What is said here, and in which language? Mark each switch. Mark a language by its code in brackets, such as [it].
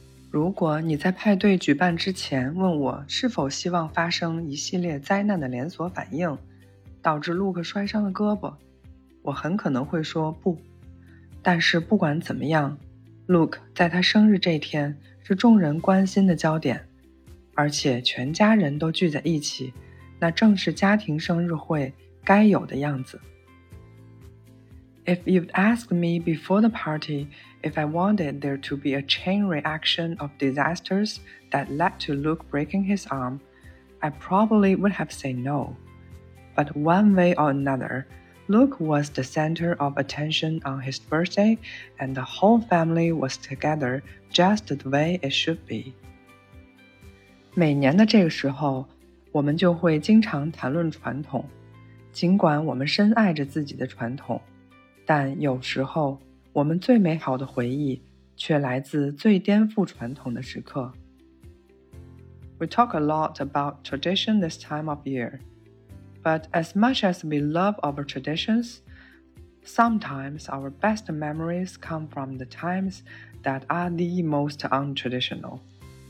[zh] 如果你在派对举办之前问我是否希望发生一系列灾难的连锁反应，导致Luke摔伤了胳膊，我很可能会说不。但是不管怎么样， Luke 在他生日这天是众人关心的焦点，而且全家人都聚在一起，那正是家庭生日会该有的样子。 [en] If you'd asked me before the party if I wanted there to be a chain reaction of disasters that led to Luke breaking his arm, I probably would have said no. But one way or another, Luke was the center of attention on his birthday and the whole family was together just the way it should be. [zh] 每年的这个时候，我们就会经常谈论传统，尽管我们深爱着自己的传统，但有时候我们最美好的回忆却来自最颠覆传统的时刻。 [en] We talk a lot about tradition this time of year, but as much as we love our traditions, sometimes our best memories come from the times that are the most untraditional.